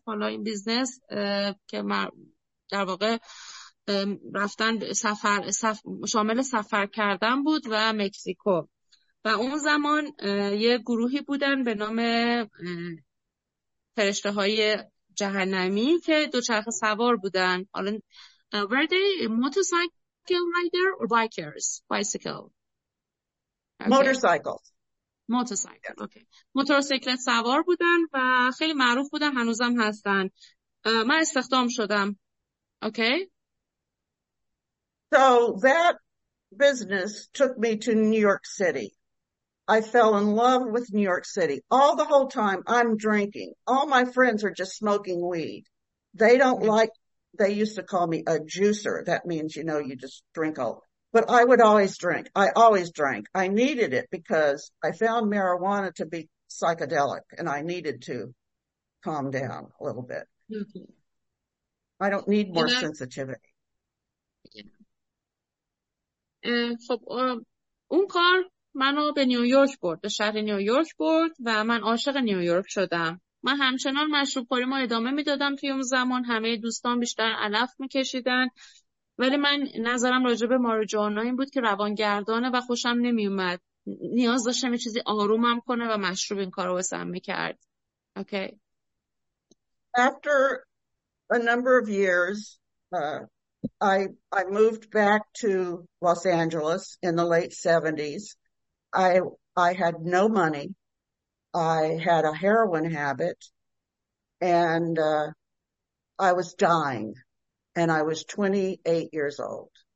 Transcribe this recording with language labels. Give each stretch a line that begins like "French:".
Persian: حالا این بیزنس که من در واقع رفتن سفر شامل سفر کردن بود و مکزیکو، و اون زمان یه گروهی بودن به نام فرشته های جهنمی که دوچرخ سوار بودن. حالا
English: were they motorcycle rider or bikers bicycle okay Motorcycles. motorcycle okay
Persian: موتورسیکلت سوار بودن و خیلی معروف بودن، هنوزم هستن. من استخدام شدم. اوکی.
English: So that business took me to New York City. I fell in love with New York City. All the whole time I'm drinking. All my friends are just smoking weed. They don't like, they used to call me a juicer. That means, you know, you just drink all. But I would always drink. I always drank. I needed it because I found marijuana to be psychedelic and I needed to calm down a little bit. I don't need more sensitivity.
Persian: خب اون کار منو به نیویورک برد، به شهر نیویورک برد و من عاشق نیویورک شدم. من همچنان مشروب خوری ما ادامه میدادم توی اون زمان، همه دوستان بیشتر علف میکشیدن، ولی من نظرم راجع به ماریجوانا این بود که روانگردانه و خوشم نمیومد، نیاز داشتم یه چیزی آرومم کنه و مشروب این کارو واسم میکرد.
English: Okay. After a number of years, I moved back to Los Angeles in the late 70s. I had no money. I had a heroin habit, and I was dying, and I was 28 years old.